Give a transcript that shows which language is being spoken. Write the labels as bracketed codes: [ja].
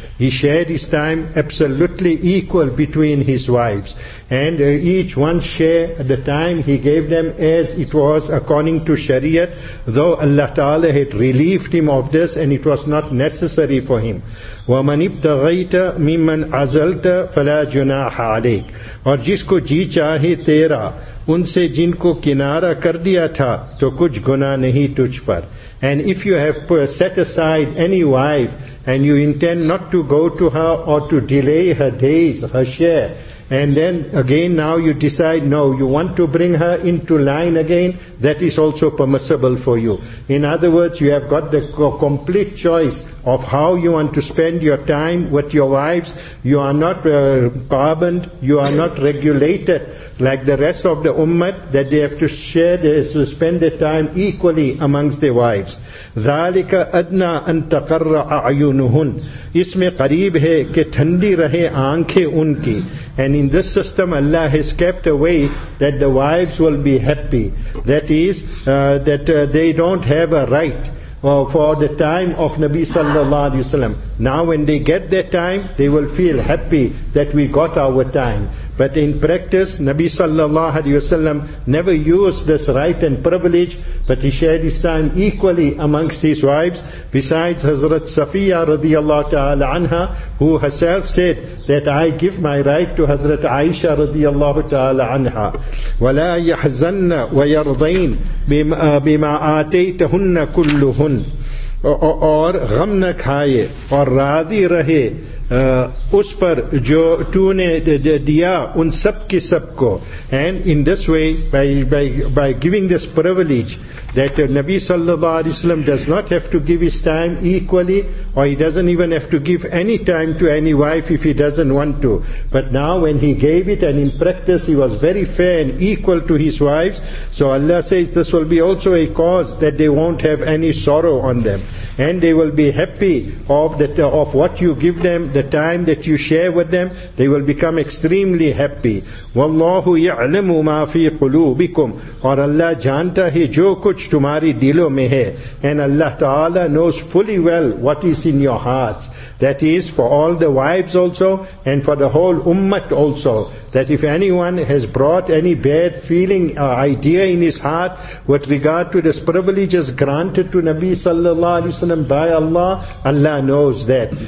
[en] He shared his time absolutely equal between his wives, and each one share the time he gave them as it was according to Sharia, though Allah Ta'ala had relieved him of this and it was not necessary for him. [ar] وَمَنِ ابْتَغَيْتَ مِمَّنْ عَزَلْتَ فَلَا جُنَاحَ عَلَيْكَ. [ur] اور جس کو جی چاہے تیرا ان سے جن کو کنارہ کر دیا تھا تو کچھ گناہ نہیں تجھ پر. [en] And if you have set aside any wife and you intend not to go to her or to delay her days, her share, and then again now you decide, no, you want to bring her into line again, that is also permissible for you. In other words, you have got the complete choice of how you want to spend your time with your wives. You are not governed, you are not regulated like the rest of the ummah, that they have to share to spend their time equally amongst their wives. [ar] ذَلِكَ أَدْنَا أَن تَقَرَّ أَعْيُنُهُنْ. [ur] اس میں قریب ہے کہ تھنڈی رہے آنکھیں ان کی. [en] And in this system, Allah has kept a way that the wives will be happy. That is, they don't have a right for the time of Nabi sallallahu alaihi wasallam. Now when they get their time, they will feel happy that we got our time. But in practice, Nabi sallallahu alaihi wasallam never used this right and privilege, but he shared his time equally amongst his wives. Besides Hazrat Safiya radiallahu ta'ala anha, who herself said that I give my right to Hazrat Aisha radiallahu ta'ala anha. [ar] وَلَا يَحْزَنَّ وَيَرْضَيْنَ بِمَا آتَيْتَهُنَّ كُلُّهُنَّ. [ur] اور غم نہ کھائے اور راضی رہے اس پر جو تو نے دیا ان سب کی سب کو. [en] And in this way, by giving this privilege, that Nabi sallallahu alaihi wasallam does not have to give his time equally, or he doesn't even have to give any time to any wife if he doesn't want to. But now when he gave it, and in practice he was very fair and equal to his wives, so Allah says this will be also a cause that they won't have any sorrow on them. And they will be happy of what you give them, the time that you share with them, they will become extremely happy. [ar] وَاللَّهُ يَعْلَمُ مَا فِي قُلُوبِكُمْ. [ur] اور اللہ جانتا ہے جو کچھ تمہاری دلوں میں ہے. [en] And Allah Ta'ala knows fully well what is in your hearts. That is, for all the wives also, and for the whole ummah also, that if anyone has brought any bad feeling or idea in his heart with regard to this privileges granted to Nabi sallallahu alaihi wasallam by Allah, Allah knows that.